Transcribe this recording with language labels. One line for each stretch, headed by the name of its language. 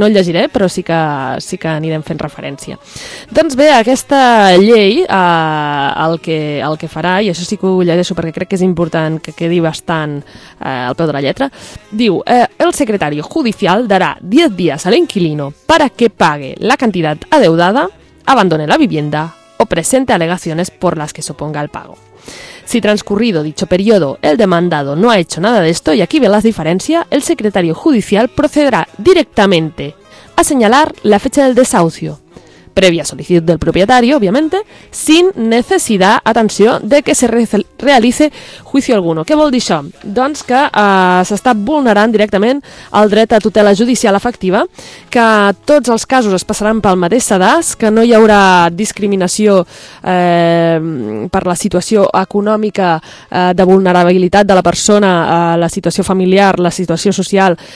Catalan: No el llegiré, però sí que anirem fent referència. Doncs bé, aquesta llei el que farà, i això sí que ho llegeixo perquè crec que és important que quedi bastant al peu de la lletra, diu, el secretari judicial darà 10 dies a l'
Spanish: inquilino para que pague la cantidad adeudada, abandone la vivienda o presente alegaciones por las que suponga el pago. Si transcurrido dicho periodo, el demandado no ha hecho nada de esto, y aquí ven las diferencias, el secretario judicial procederá directamente a señalar la fecha del desahucio, previa solicitud del propietario, obviamente, sin necesidad, atención, de que se realice juicio alguno.
Catalan: ¿Qué vol dir això? Doncs que s'està vulnerant directament el dret a tutela judicial efectiva, que tots els casos es passaran pel mateix sedàs, que no hi haurà discriminació per la situació econòmica de vulnerabilitat de la persona, la situació familiar, la situació social.